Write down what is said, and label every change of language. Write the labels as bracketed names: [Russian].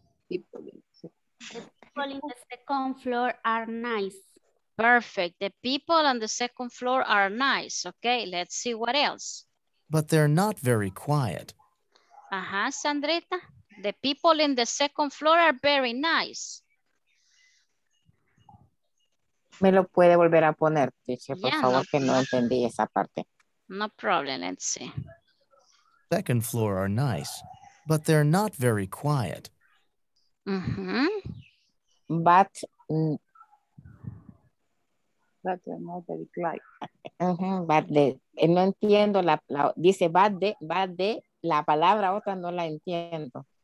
[English] The people in the second floor are nice. Perfect. The people on the second floor are nice. Okay, let's see what else. But they're not very quiet. Uh-huh, Sandrita. The people in the second floor are very nice. [Spanish] Me lo puede volver a poner, dice, por favor, no, que no entendí esa parte. [English] No problem, let's see. Second floor are nice, but they're not very quiet. Mm-hmm. But they're not very quiet. [Spanish] Mm-hmm, but de, no entiendo, dice but de, la palabra otra no la entiendo.